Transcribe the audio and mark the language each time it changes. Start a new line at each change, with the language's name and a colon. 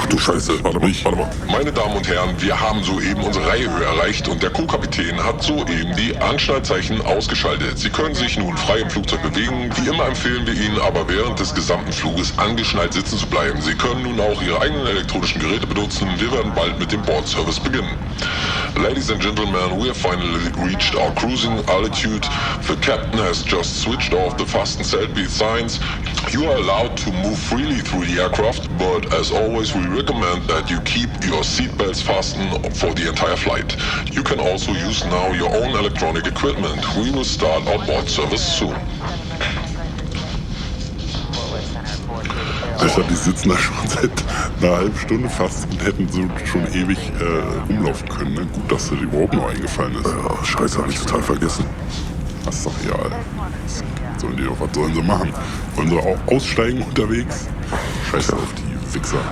German: Ach du Scheiße, warte mal. Meine Damen und Herren, wir haben soeben unsere Reihe erreicht und der Co-Kapitän hat soeben die Anschnallzeichen ausgeschaltet. Sie können sich nun frei im Flugzeug bewegen. Wie immer empfehlen wir Ihnen aber während des gesamten Fluges angeschnallt sitzen zu bleiben. Sie können nun auch Ihre eigenen elektronischen Geräte benutzen. Wir werden bald mit dem Boardservice beginnen.
English: Ladies and Gentlemen, we have finally reached our cruising altitude. The captain has just switched off the fasten seatbelt signs. You are allowed to move freely through the aircraft, but as always, we recommend that you keep your seatbelts fastened for the entire flight. You can also use now your own electronic equipment. We will start onboard service soon.
German: Also die sitzen da schon seit einer halben Stunde fast und hätten so schon ewig rumlaufen können. Ne? Gut, dass dir die überhaupt noch eingefallen ist. Ja, Scheiße, hab ich total vergessen. Ach, ist doch egal. Was sollen sie machen? Wollen sie auch aussteigen unterwegs? Scheiße auf die Wichser.